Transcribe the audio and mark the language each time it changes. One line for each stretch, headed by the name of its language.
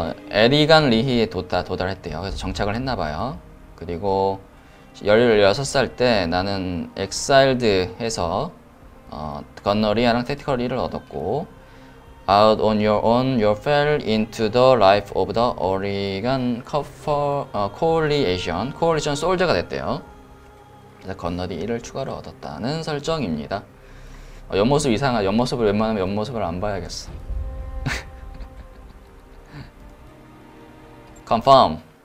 Korean: 에리간 리히에 도달했대요. 그래서 정착을 했나 봐요. 그리고 16살 때 나는 엑사일드 해서 건너리아랑 택티컬 1을 얻었고,
English: Out on your own, you fell into the life of the Oregon Coalition.
Korean: Coalition Soldier가 됐대요. 그래서 건너리 1을 추가로 얻었다는 설정입니다. 옆모습 이상하다. 옆모습을 웬만하면 옆모습을 안 봐야겠어.
English: Confirm.